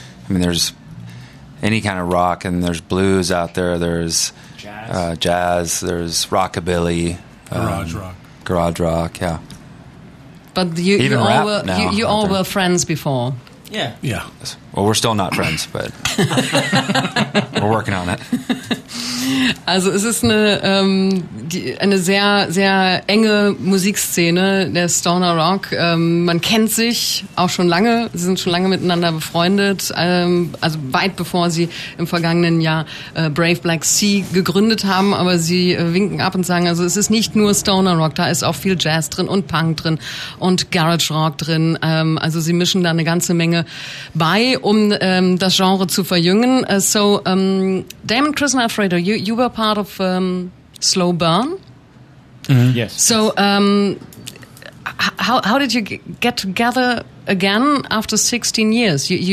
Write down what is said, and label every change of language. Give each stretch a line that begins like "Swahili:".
English: There's any kind of rock, and there's blues out there, there's jazz, there's rockabilly. Garage rock, yeah. But you all were friends before. Yeah. Well, we're still not friends, but we're working on it.
German: Also es ist eine sehr, sehr enge Musikszene, der Stoner Rock. Man kennt sich auch schon lange, sie sind schon lange miteinander befreundet, also weit bevor sie im vergangenen Jahr Brave Black Sea gegründet haben, aber sie winken ab und sagen, also es ist nicht nur Stoner Rock, da ist auch viel Jazz drin und Punk drin und Garage Rock drin. Also sie mischen da eine ganze Menge bei, um das Genre zu verjüngen.
English: So Damon, Chris und Alfredo, You were part of Slowburn. Mm-hmm. Yes. So, how did you get together again after 16 years?